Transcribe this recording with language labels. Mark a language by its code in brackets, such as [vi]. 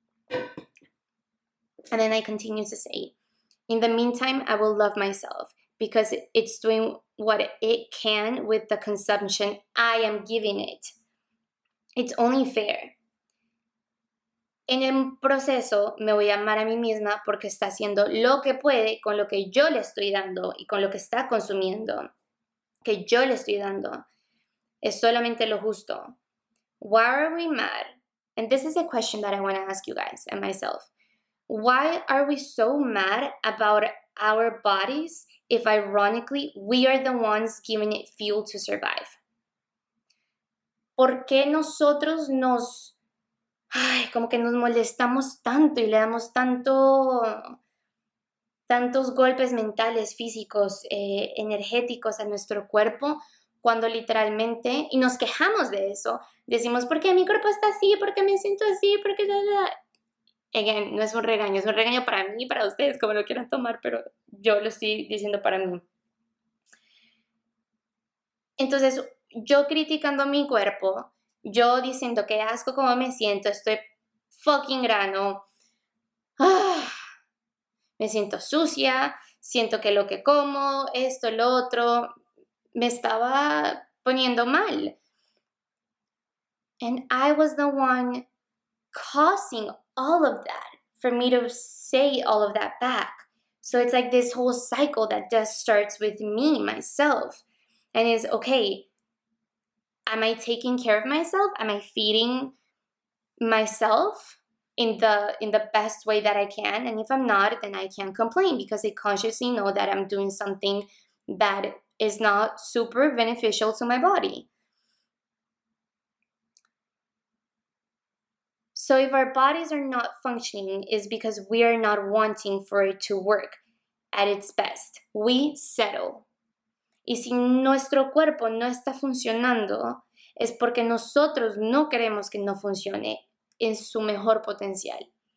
[en] And then I continue to say, in the meantime, I will love myself because it's doing what it can with the consumption I am giving it. It's only fair. [es] En el proceso, me voy a amar a mí misma porque está haciendo lo que puede con lo que yo le estoy dando y con lo que está consumiendo, que yo le estoy dando. Es solamente lo justo. [en] Why are we mad? And this is a question that I want to ask you guys and myself. Why are we so mad about our bodies if, ironically, we are the ones giving it fuel to survive? [es] ¿Por qué nosotros nos... ay, como que nos molestamos tanto y le damos tantos golpes mentales, físicos, energéticos a nuestro cuerpo cuando literalmente... y nos quejamos de eso. Decimos, ¿por qué mi cuerpo está así? ¿Por qué me siento así? ¿Por qué la, la? Again, no es un regaño para mí y para ustedes, como lo quieran tomar, pero yo lo estoy diciendo para mí. Entonces, yo criticando mi cuerpo, yo diciendo que asco como me siento, estoy fucking grano, me siento sucia, siento que lo que como, esto, lo otro, me estaba poniendo mal. [en] And I was the one causing all of that for me to say all of that back. So it's like this whole cycle that just starts with me, myself, and is, okay, am I taking care of myself? Am I feeding myself in the best way that I can? And if I'm not, then I can't complain, because I consciously know that I'm doing something that is not super beneficial to my body. So if our bodies are not functioning, it's because we are not wanting for it to work at its best. We settle. [es] Y si nuestro cuerpo no está funcionando, es porque nosotros no queremos que no funcione en su mejor potencial.